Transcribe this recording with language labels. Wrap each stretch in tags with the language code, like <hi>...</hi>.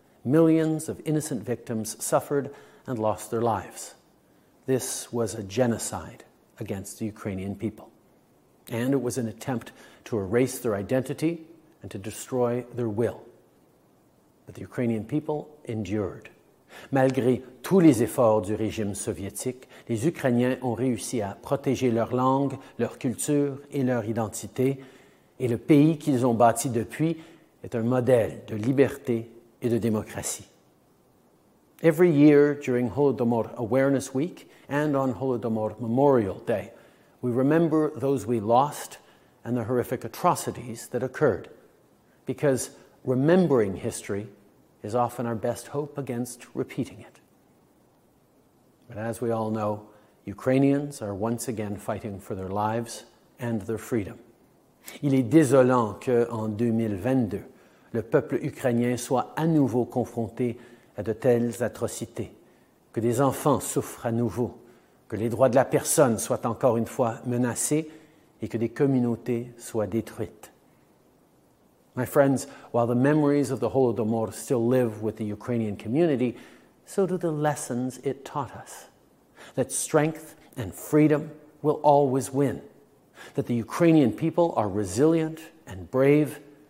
<en>Millions of innocent victims suffered and lost their lives. This was a genocide against the Ukrainian people. And it was an attempt to erase their identity and to destroy their will. But the Ukrainian people endured.</en> <fr>Malgré tous les efforts du régime soviétique, les Ukrainiens ont réussi à protéger leur langue, leur culture et leur identité. Et le pays qu'ils ont bâti depuis est un modèle de liberté et de démocratie.</fr> <en>Every year during Holodomor Awareness Week and on Holodomor Memorial Day, we remember those we lost and the horrific atrocities that occurred. Because remembering history is often our best hope against repeating it. But as we all know, Ukrainians are once again fighting for their lives and their freedom.</en> <fr>Il est désolant que en 2022, le peuple ukrainien soit à nouveau confronté à de telles atrocités, que des enfants souffrent à nouveau, que les droits de la personne soient encore une fois menacés et que des communautés soient détruites.</fr> <en>My friends, while the memories of the Holodomor still live with the Ukrainian community, so do the lessons it taught us. That strength and freedom will always win. That the Ukrainian people are resilient and brave.</en>